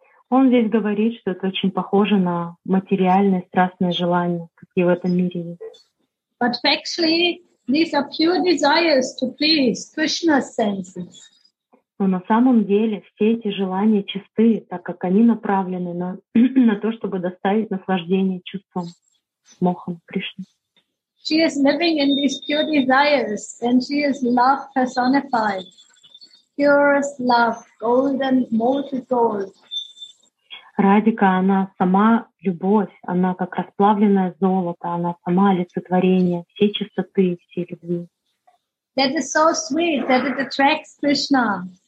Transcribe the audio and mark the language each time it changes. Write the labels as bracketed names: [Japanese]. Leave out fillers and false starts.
[Russian] Он здесь говорит, что это очень похоже на материальное страстное желание, какие в этом мире есть. [English] But actually, these are pure desires to please Krishna's senses. [Russian] Но на самом деле все эти желания чисты, так как они направлены на, на то, чтобы доставить наслаждение чувством, мохом Кришны. [English] She is living in these pure desires, and she is love personified. Purest love, golden, molten gold. [Russian] Радика, она сама любовь, она как расплавленное золото, она сама олицетворение всей чистоты, всей любви. [English] That is so sweet that it attracts Krishna.